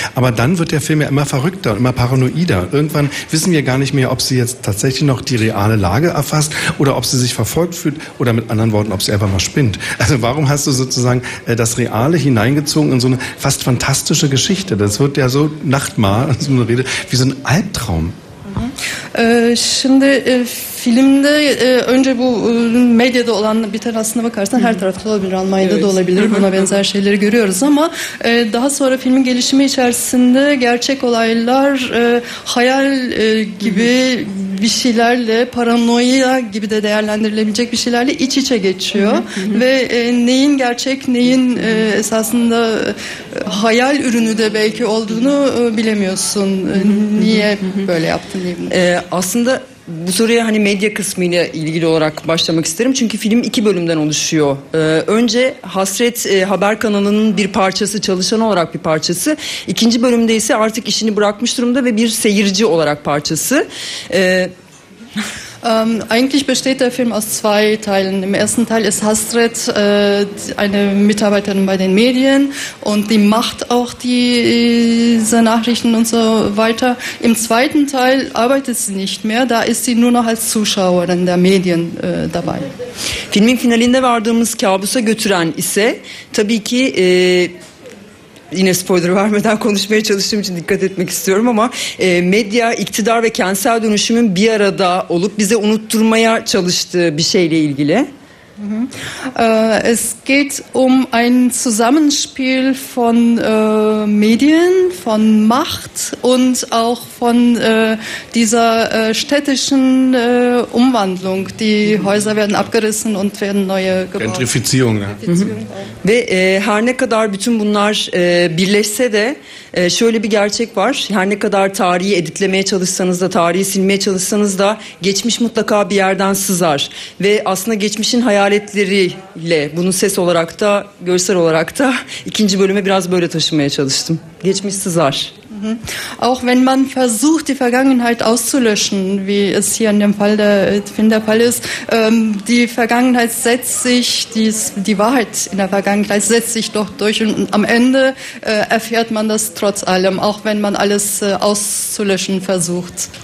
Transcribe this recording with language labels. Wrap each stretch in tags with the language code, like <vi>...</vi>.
<de>Aber dann wird der Film ja immer verrückter, immer paranoider. Irgendwann wissen wir gar nicht mehr, ob sie jetzt tatsächlich noch die reale Lage erfasst oder ob sie sich verfolgt fühlt oder mit anderen Worten, ob sie einfach mal spinnt. Also warum hast du sozusagen das Reale hineingezogen in so eine fast fantastische Geschichte? Das wird ja so Nachtmahr, so eine Rede, wie so ein Albtraum.</de> <tr>Şimdi filmde önce bu medyada olan biter aslında bakarsan her tarafta olabilir, Almanya'da evet. da olabilir, buna benzer şeyleri görüyoruz ama daha sonra filmin gelişimi içerisinde gerçek olaylar hayal gibi bir şeylerle, paranoya gibi de değerlendirilebilecek bir şeylerle iç içe geçiyor. Ve neyin gerçek, neyin esasında hayal ürünü de belki olduğunu bilemiyorsun. Niye böyle yaptın diye. Aslında bu soruya hani medya kısmıyla ilgili olarak başlamak isterim. Çünkü film iki bölümden oluşuyor. Önce Hasret Haber Kanalı'nın bir parçası, çalışan olarak bir parçası. İkinci bölümde ise artık işini bırakmış durumda ve bir seyirci olarak parçası.</tr> <de>Eigentlich besteht der Film aus zwei Teilen. Im ersten Teil ist Hasret eine Mitarbeiterin bei den Medien und die macht auch diese Nachrichten und so weiter. Im zweiten Teil arbeitet sie nicht mehr, da ist sie nur noch als Zuschauerin der Medien dabei.</de> <tr>Filmin finalinde vardığımız kabusa götüren ise tabii ki... Yine spoiler vermeden konuşmaya çalıştığım için dikkat etmek istiyorum ama medya, iktidar ve kentsel dönüşümün bir arada olup bize unutturmaya çalıştığı bir şeyle ilgili.</tr> <de>Es geht um ein Zusammenspiel von Medien, von Macht und auch von dieser städtischen Umwandlung. Die Häuser werden abgerissen und werden neue gebaut. Gentrifizierung. Ja.</de> <tr>Ve her ne kadar bütün bunlar birleşse de şöyle bir gerçek var. Her ne kadar tarihi editlemeye çalışsanız da, tarihi silmeye çalışsanız da geçmiş mutlaka bir yerden sızar. Ve aslında geçmişin hayali hayaletleriyle bunu ses olarak da görsel olarak da ikinci bölüme biraz böyle taşımaya çalıştım. Geçmiş Sızar.</tr> <de>Auch wenn man versucht, die Vergangenheit auszulöschen, wie es hier in dem Fall der Fall ist, die Vergangenheit setzt sich, die Wahrheit in der Vergangenheit setzt sich doch durch und am Ende erfährt man das trotz allem, auch wenn man alles auszulöschen versucht.</de>